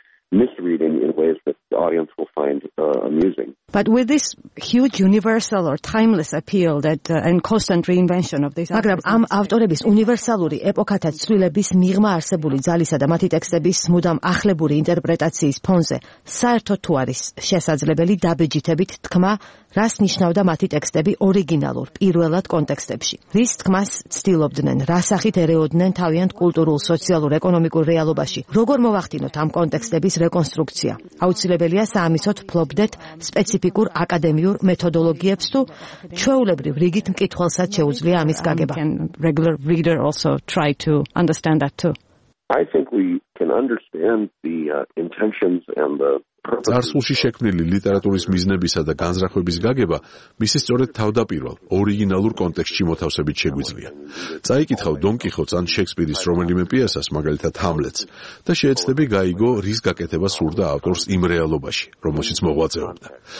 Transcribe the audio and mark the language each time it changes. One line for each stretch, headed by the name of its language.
English: Misreading in ways that the audience will find amusing. But with this huge universal or timeless appeal that and constant reinvention of this
Georgian: მაგრამ ამ ავტორების უნივერსალური ეპოქათა ცვლილების მიღმა არსებული ძალისა და მათი ტექსტების მუდამ ახლებური ინტერპრეტაციის ფონზე საერთოდ თუ არის შესაძლებელი დაბეჯითებით თქმა, რას ნიშნავდა მათი ტექსტები ორიგინალურ პირველად კონტექსტებში? რის თქმას ცდილობდნენ? რას ახით ერეოდნენ თავიანთ კულტურულ, სოციალურ, ეკონომიკურ რეალობაში? როგორ მოვახდინოთ ამ კონტექსტების რეკონსტრუქცია? აუცილებელია საამისოდ ფლობდეთ სპეციფიკურ აკადემიურ მეთოდოლოგიებს თუ ჩვეულებრივ რიგით მკითხველსაც შეუძლია ამის გაგება.
English: Regular reader also try to understand that too. I think we can understand the intentions and the
Georgian: წარსულში შექმნილი ლიტერატურის მიზნებისა და განზრახვების გაგება მისი სწორედ თავდაპირველ ორიგინალურ კონტექსტში მოთავსებით შეგვიძლია. წაიკითხავ დონ კიხოტს ან შექსპირის რომელიმე პიესას, მაგალითად ჰამლეტს, და შეეცდები გაიგო, რის გაკეთება სურდა ავტორს იმ რეალობაში, რომელშიც მოღვაწეობდა.